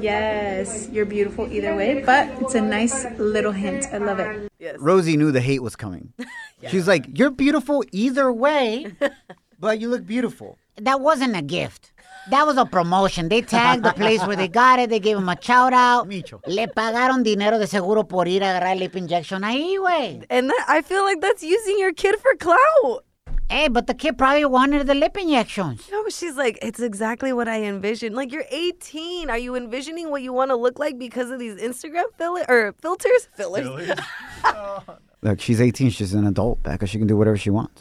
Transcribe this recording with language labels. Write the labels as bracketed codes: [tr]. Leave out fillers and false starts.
[en] Yes, you're beautiful either way, but it's a nice little hint. I love it. Yes. Rosie knew the hate was coming. She's like, you're beautiful either way, but you look beautiful. That wasn't a gift. That was a promotion. They tagged the place where they got it. They gave him a shout out. Micho. [es] Le pagaron dinero de seguro por ir a agarrar lip injection ahí, güey. [en] And that, I feel like that's using your kid for clout. Hey, but the kid probably wanted the lip injections. No, she's like, it's exactly what I envisioned. Like, you're 18. Are you envisioning what you want to look like because of these Instagram filters? Fillers. Look, she's 18. She's an adult, Becca. She can do whatever she wants.